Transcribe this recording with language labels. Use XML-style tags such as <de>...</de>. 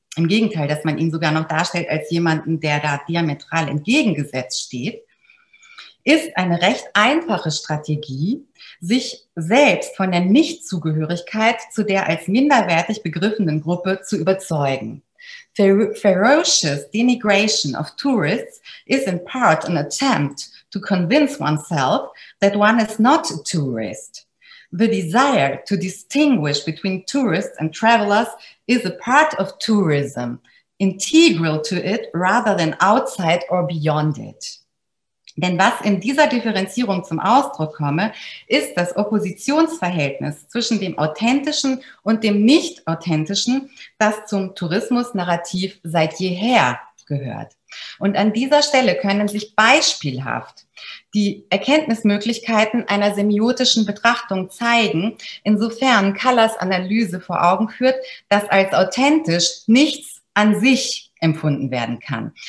<de>Im Gegenteil, dass man ihn sogar noch darstellt als jemanden, der da diametral entgegengesetzt steht, ist eine recht einfache Strategie, sich selbst von der Nichtzugehörigkeit zu der als minderwertig begriffenen Gruppe zu überzeugen.</de> <en>Ferocious denigration of tourists is in part an attempt to convince oneself that one is not a tourist. The desire to distinguish between tourists and travelers is a part of tourism, integral to it rather than outside or beyond it.</en> <de>Denn was in dieser Differenzierung zum Ausdruck komme, ist das Oppositionsverhältnis zwischen dem Authentischen und dem Nicht-Authentischen, das zum Tourismus-Narrativ seit jeher gehört. Und an dieser Stelle können sich beispielhaft die Erkenntnismöglichkeiten einer semiotischen Betrachtung zeigen, insofern Kallers Analyse vor Augen führt, dass als authentisch nichts an sich empfunden werden kann.</de>